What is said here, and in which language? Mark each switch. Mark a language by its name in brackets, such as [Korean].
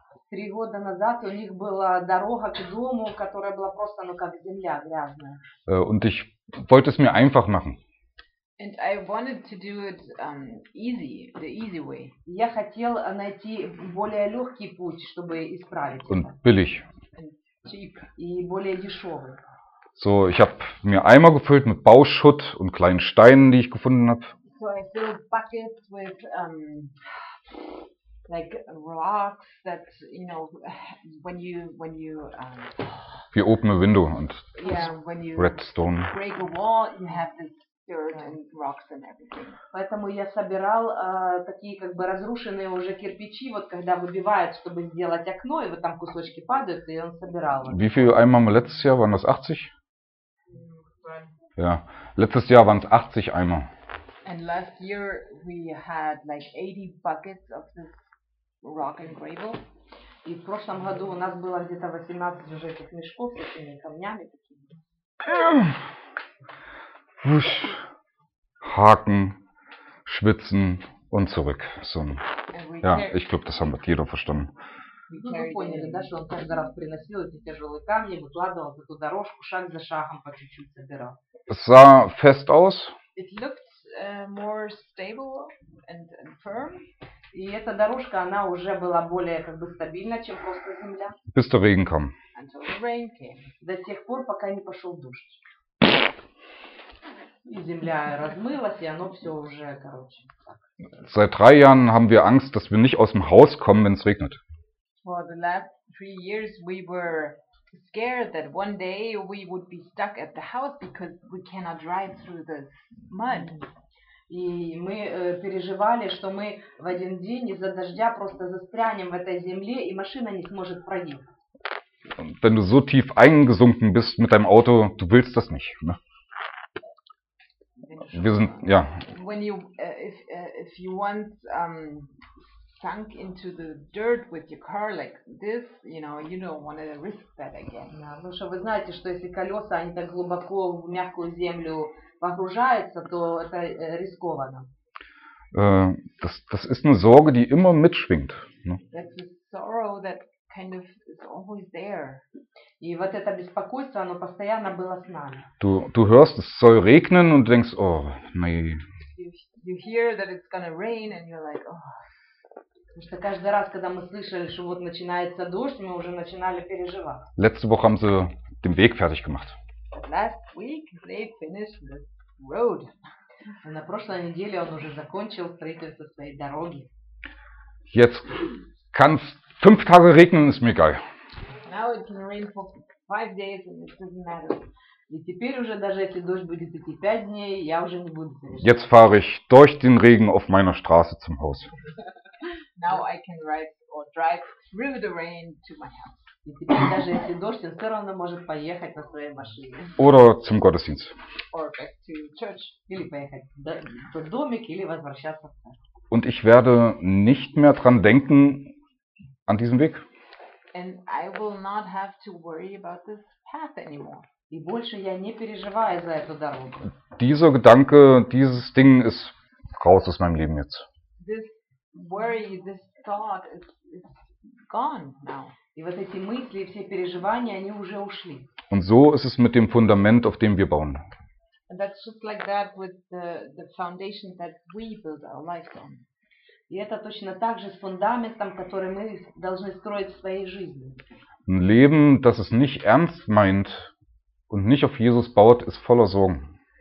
[Russian] Три года назад у них была дорога к дому, которая была просто, ну, как земля грязная. [German] Und ich wollte es mir einfach machen. [English] And I wanted to do it easy, the easy way. [Russian] Я хотел найти более легкий путь, чтобы исправить. [German] Und billig. [English] Cheap. [Russian] И более дешевый. [German] So, ich habe mir Eimer gefüllt mit Bauschutt und kleinen Steinen, die ich gefunden habe. [English] So I filled buckets with like rocks that, you know, when you we open a window and redstone. Yeah, when you break a wall, you have this dirt and rocks and everything. [Russian] Поэтому я собирал такие как бы разрушенные уже кирпичи, вот когда выбивают, чтобы сделать окно, и вот там кусочки падают, и он собирал. [German] Wie viel Eimer letztes Jahr? Waren das 80? Ja, letztes Jahr waren es 80 Eimer. [English] And last year we had like 80 buckets of this rock and gravel. [Russian] И в прошлом году у нас было где-то 18 уже этих мешков с этими камнями. [German] Wusch, Haken, Schwitzen und zurück. So. Ja, ich glaube, das haben wir jeder verstanden. [Russian] Ну, вы поняли, да, что он каждый раз приносил эти тяжелые камни, выкладывал эту дорожку, шаг за шагом по чуть-чуть собирал. [German] Sah fest aus. [English] It looked more stable and firm. [Russian] И эта дорожка, она уже была более как бы стабильна, чем просто земля. [German] Bis der Regen kam. [English] Until the rain came. [Russian] До тех пор, пока не пошел дождь. И земля размылась, и оно все уже, короче, так. [German] Seit 3 Jahren haben wir Angst, dass wir nicht aus dem Haus kommen, wenn es regnet. [English] For the last 3 years we were scared that one day we would be stuck at the house because we cannot drive through the mud. [Russian] И мы переживали, что мы в один день из-за дождя просто застрянем в этой земле и машина не сможет проехать. [German] Wenn du so tief eingesunken bist mit deinem Auto, du willst das nicht, ne? Wir sind, ja. [English] When you if you want sunk into the dirt with your car like this, you know, you don't want to risk that again. [Russian] Ну что, вы знаете, что если колеса, они так глубоко в мягкую землю погружаются, то это рискованно. [German] Das ist eine Sorge, die immer mitschwingt. Ne? [English] That's a sorrow that kind of is always there. [Russian] И вот это беспокойство, оно постоянно было с нами. [German] Du hörst, es soll regnen und denkst, oh, nee. [English] You hear that it's gonna rain and you're like, oh. [Russian] Потому что каждый раз, когда мы слышали, что вот начинается дождь, мы уже начинали переживать. [German] Letzte Woche haben sie den Weg fertig gemacht. [English] Last week they finished the road. [Russian] На прошлой неделе он уже закончил строительство своей дороги. [German] Jetzt kann es 5 Tage regnen, ist mir egal. [English] Now it can rain for 5 days and it doesn't matter. [Russian] И теперь уже даже если дождь будет идти 5 дней, я уже не буду переживать. [German] Jetzt fahre ich durch den Regen auf meiner Straße zum Haus. [English] Now I can ride or drive through the rain to my house. [Russian] И теперь даже если дождь, он все равно может поехать на своей машине. [German] Oder zum Gottesdienst. [English] Or back to church. [Russian] Или поехать в домик, или возвращаться в церковь. [German] Und ich werde nicht mehr dran denken an diesem Weg. [English] And I will not have to worry about this path anymore. [Russian] И больше я не переживаю за эту дорогу. [German] Dieser Gedanke, dieses Ding ist raus aus meinem Leben jetzt. [English] This worry, this thought is gone now. [Russian] И вот эти мысли, все переживания, они уже ушли. [German] Und so ist es mit dem Fundament, auf dem wir bauen. [English] And that's just like that with the foundation that we build our lives on. [Russian] И это точно так же с фундаментом, который мы должны строить в своей жизни. [German] Ein Leben, das es nicht ernst meint und nicht auf Jesus baut, ist voller Sorgen.